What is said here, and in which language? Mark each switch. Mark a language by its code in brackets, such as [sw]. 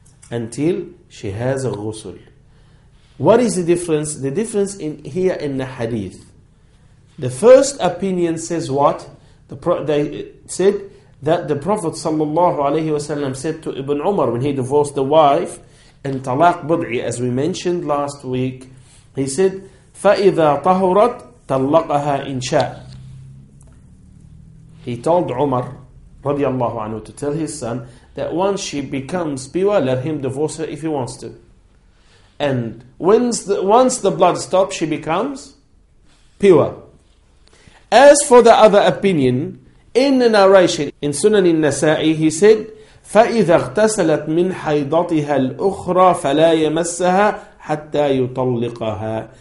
[en] Until she has a ghusl. What is the difference? The difference in here in the hadith. The first opinion says what? They said that the Prophet sallallahu alayhi wa sallam said to Ibn Umar when he divorced the wife in Talaq Bud'i, as we mentioned last week, He said, [ar] فَإِذَا طَهُرَتْ طَلَّقَهَا إِنْ شَاءَ. [en] He told Umar, رضي الله عنه, to tell his son that once she becomes piwa, let him divorce her if he wants to. And once the blood stops, she becomes piwa. As for the other opinion, in the narration, in Sunan al-Nasa'i, he said, [ar] فَإِذَا اغْتَسَلَتْ مِنْ حَيْضَتِهَا الْأُخْرَى فَلَا يَمَسَّهَا حَتَّى يُطَلِّقَهَا.